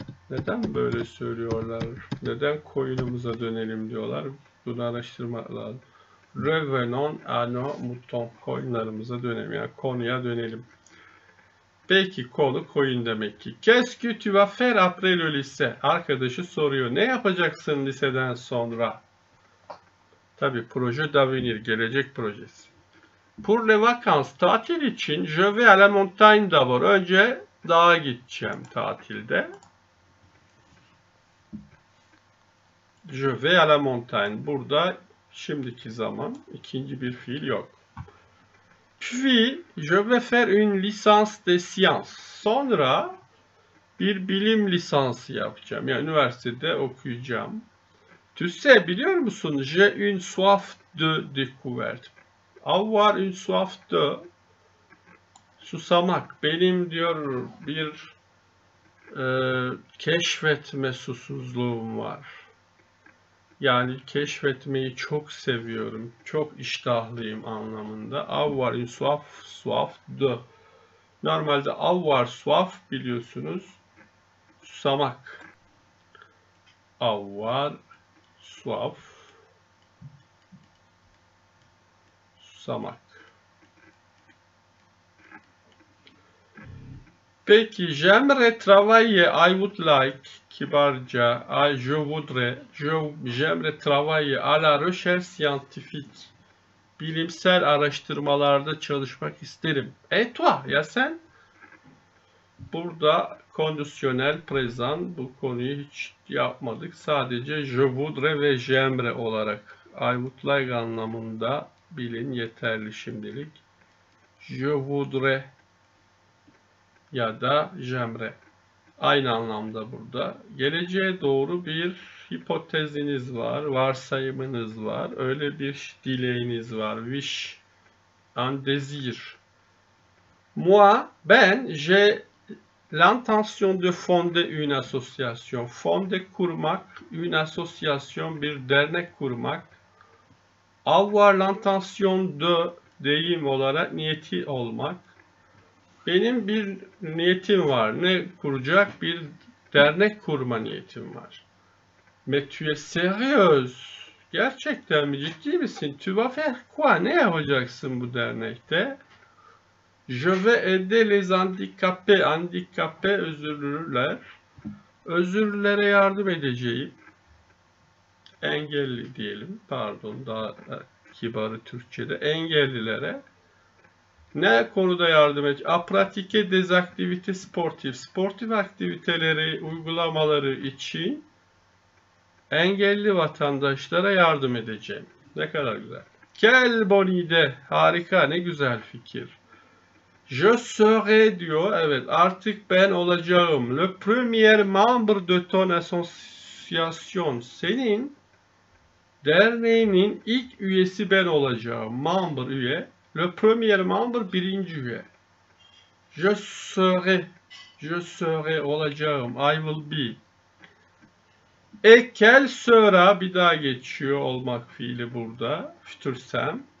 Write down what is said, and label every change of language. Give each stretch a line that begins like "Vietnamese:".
Turkish: Neden böyle söylüyorlar? Neden koyunumuza dönelim diyorlar? Bunu araştırmak lazım.
French: Revenons à nos moutons.
Turkish: Koyunlarımıza dönelim. Yani konuya dönelim. Peki konu koyun demek ki.
French: Qu'est-ce que tu vas faire après le lycée?
Turkish: Arkadaşı soruyor. Ne yapacaksın liseden sonra? Tabii
French: proje d'avenir,
Turkish: gelecek projesi.
French: Pour les vacances,
Turkish: tatil için
French: je vais à la montagne d'abord.
Turkish: Önce dağa gideceğim tatilde.
French: Je vais à la montagne.
Turkish: Burada şimdiki zaman ikinci bir fiil yok.
French: Puis, je vais faire une licence de science.
Turkish: Sonra bir bilim lisansı yapacağım. Yani üniversitede okuyacağım.
French: Tu sais,
Turkish: biliyor musun?
French: J'ai une soif de découverte. Avoir une soif de.
Turkish: Susamak. Benim diyor bir keşfetme susuzluğum var. Yani keşfetmeyi çok seviyorum. Çok iştahlıyım anlamında.
French: Avoir une soif, soif de.
Turkish: Normalde
French: avoir soif
Turkish: biliyorsunuz susamak.
French: Avoir soif
Turkish: susamak. Peki
French: j'aimerais travailler,
English: I would like.
French: Kibarca, je voudrais, j'aimerais travailler à la recherche scientifique.
Turkish: Bilimsel araştırmalarda çalışmak isterim.
French: Et toi,
Turkish: ya sen? Burada kondisyonel présent, bu konuyu hiç yapmadık. Sadece
French: je voudrais
Turkish: ve j'aimerais olarak.
English: I would like
Turkish: anlamında bilin, yeterli şimdilik.
French: Je voudrais ya da j'aimerais.
Turkish: Aynı anlamda burada. Geleceğe doğru bir hipoteziniz var, varsayımınız var, öyle bir dileğiniz var.
French: Wish, un désir. Moi, ben, j'ai l'intention de fonder une association.
Turkish: Fonde kurmak,
French: une association,
Turkish: bir dernek kurmak.
French: Avoir l'intention de,
Turkish: deyim olarak niyeti olmak. Benim bir niyetim var. Ne kuracak? Bir dernek kurma niyetim var.
French: Mais tu es sérieux?
Turkish: Gerçekten mi? Ciddi misin?
French: Tu vas faire quoi?
Turkish: Ne yapacaksın bu dernekte?
French: Je vais aider les handicapés.
Turkish: Handicapés, özürlüler. Özürlülere yardım edeceğim. engelli diyelim, pardon, daha kibarı Türkçe'de engellilere ne konuda yardım edecek?
French: A pratike des aktivite sportif.
Turkish: Sportif aktiviteleri uygulamaları için engelli vatandaşlara yardım edeceğim. Ne kadar güzel.
French: Quelle bonne idée.
Turkish: Harika, ne güzel fikir.
French: Je serai diyor.
Turkish: Evet, artık ben olacağım.
French: Le premier membre de ton association.
Turkish: Senin derneğinin ilk üyesi ben olacağım. Member üye.
French: Le premier membre
Turkish: birinci üye.
French: Je serai
Turkish: olacağım.
English: I will be.
Turkish: Ekel sera bir daha geçiyor olmak fiili burada. Fütürsem.